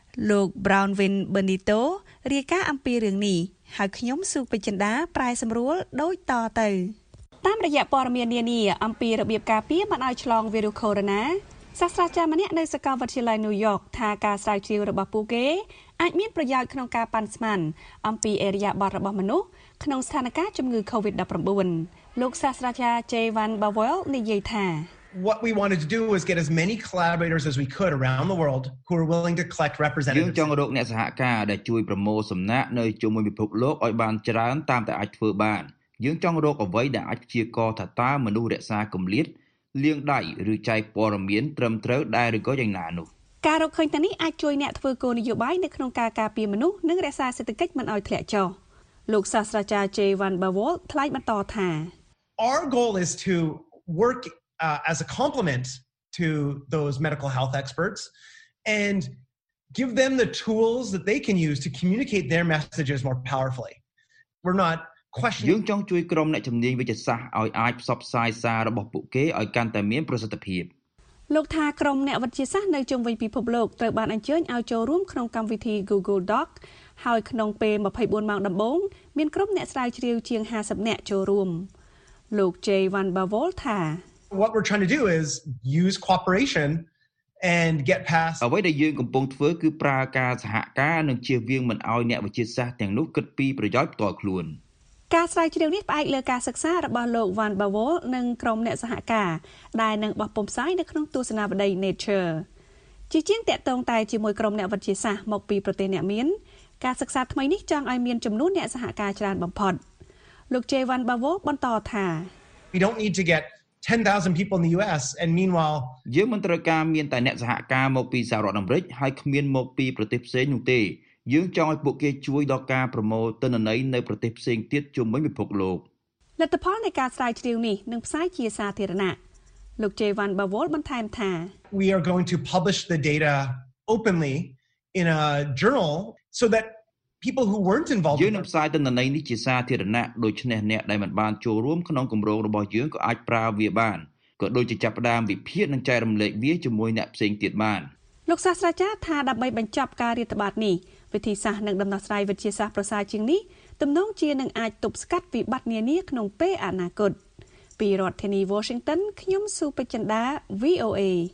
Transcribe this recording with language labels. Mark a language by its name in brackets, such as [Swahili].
[Khmer] លោក Brownwin Benito រាយការណ៍អំពីរឿងនេះហើយខ្ញុំសុខបញ្ញាប្រែសម្រួលដូចតទៅតាមរយៈព័ត៌មាននានាអំពីរបៀបការពារមិនឲ្យឆ្លងវីរុសកូវីដ-19សាស្ត្រាចារ្យម្នាក់នៅសាកលវិទ្យាល័យ New York ថាការស្រាវជ្រាវរបស់ពួកគេអាចមានប្រយោជន៍ក្នុងការប៉ាន់ស្មានអំពីអេរយាបថរបស់មនុស្សក្នុងស្ថានភាពជំងឺ COVID-19 លោកសាស្ត្រាចារ្យ Jayvan Bawel និយាយថា [English] What we wanted to do was get as many collaborators as we could around the world who were willing to collect representatives. [Khmer] យើងចង់រកអ្នកសហការដែលជួយប្រមូលសំណាក់នៅជុំវិញពិភពលោកឲ្យបានច្រើនតាមតែអាចធ្វើបាន។យើងចង់រកអ្វីដែលអាចព្យាករណ៍ថាតើមនុស្សរក្សាគម្លាតលាងដៃឬចែកព័ត៌មានត្រឹមត្រូវដែរឬក៏យ៉ាងណានោះ ។ការរកឃើញទាំងនេះអាចជួយអ្នកធ្វើគោលនយោបាយនៅក្នុងការការពារមនុស្សនិងរក្សាសេដ្ឋកិច្ចមិនឲ្យធ្លាក់ចុះ។លោកសាស្ត្រាចារ្យ Jayvan Bawel ថ្លែងបន្តថា [English] Our goal is to workas a complement to those medical health experts and give them the tools that they can use to communicate their messages more powerfully. We're not questioning [Khmer] យើងចង់ជួយក្រុមអ្នកជំនាញវិទ្យាសាស្ត្រឲ្យអាចផ្សព្វផ្សាយសាររបស់ពួកគេឲ្យកាន់តែមានប្រសិទ្ធភាព លោកថាក្រុមអ្នកវិទ្យាសាស្ត្រនៅជុំវិញពិភពលោកត្រូវបានអញ្ជើញឲ្យចូលរួមក្នុងកម្មវិធី Google Doc ហើយក្នុងពេល24ម៉ោងដំបូងមានក្រុមអ្នកស្រាវជ្រាវជាង50នាក់ចូលរួមលោក Jayvan Bawel ថា [English] What we're trying to do is use cooperation and get past [Khmer] អ្វីដែលយើងកំពុងធ្វើគឺប្រើការសហការនិងជៀសវាងមិនឲ្យអ្នកវិទ្យាសាស្ត្រទាំងនោះគិតពីប្រយោជន៍ផ្ទាល់ខ្លួន ការស្រាវជ្រាវនេះផ្អែកលើការសិក្សារបស់លោក Van Bavol និងក្រុមអ្នកសហការដែលនឹងបោះពំផ្សាយនៅក្នុងទស្សនាវដ្ដី Nature ជាជាងតាក់ទងតែជាមួយក្រុមអ្នកវិទ្យាសាស្ត្រមកពីប្រទេសអ្នកមានការសិក្សាថ្មីនេះចង់ឲ្យមានចំនួនអ្នកសហការច្រើនបំផុតលោក Jayvan Bavol បន្តថា [English] We don't need to get 10,000 people in the US and meanwhile [Khmer] យើងមិនត្រូវការមានតែអ្នកសហការមកពីសហរដ្ឋអាមេរិកហើយគ្មានមកពីប្រទេសផ្សេងនោះទេយើងចង់ឲ្យពួកគេជួយដល់ការប្រមូលទិន្នន័យនៅប្រទេសផ្សេងទៀតជុំវិញពិភពលោក លទ្ធផលនៃការស្រាវជ្រាវនេះនឹងផ្សាយជាសាធារណៈលោក Jayvan Bawel បន្ថែមថា [English] We are going to publish the data openly in a journal so thatpeople who weren't involved [Khmer] យើងនឹងផ្សាយទៅនៅនេះជាសាធារណៈដូច្នេះអ្នកដែលមិនបានចូលរួមក្នុងគម្រោងរបស់យើងក៏អាចប្រើវាបានក៏ដូចជាចាប់ផ្ដើមវិភាគនិងចែករំលែកវាជាមួយអ្នកផ្សេងទៀតបាន លោកសាស្ត្រាចារ្យថាដើម្បីបញ្ចប់ការរាតត្បាតនេះវិធីសាស្ត្រនិងដំណោះស្រាយវិទ្យាសាស្ត្រប្រសើរជាងនេះទំនងជានឹងអាចទប់ស្កាត់វិបត្តិនានាក្នុងពេលអនាគតពីរដ្ឋធានី Washington ខ្ញុំសុភិចិន្តា VOA